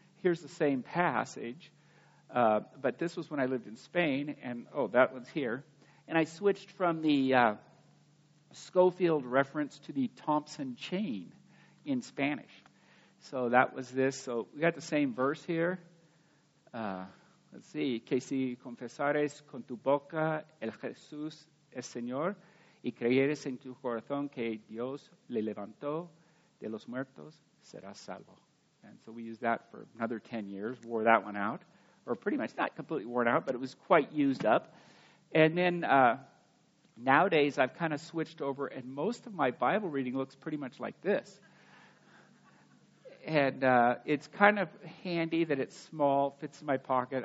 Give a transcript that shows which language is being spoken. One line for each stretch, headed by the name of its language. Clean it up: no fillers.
English: Here's the same passage, but this was when I lived in Spain, and oh, that one's here. And I switched from the Scofield Reference to the Thompson Chain in Spanish. So that was this. So we got the same verse here. Let's see.
Spanish: Que si confesares con tu boca el Jesús es Señor y creyeres en tu corazón que Dios le levantó de los muertos, serás salvo.
English: And so we used that for another 10 years, wore that one out, or pretty much not completely worn out, but it was quite used up. And then Nowadays, I've kind of switched over, and most of my Bible reading looks pretty much like this. And it's kind of handy that it's small, fits in my pocket.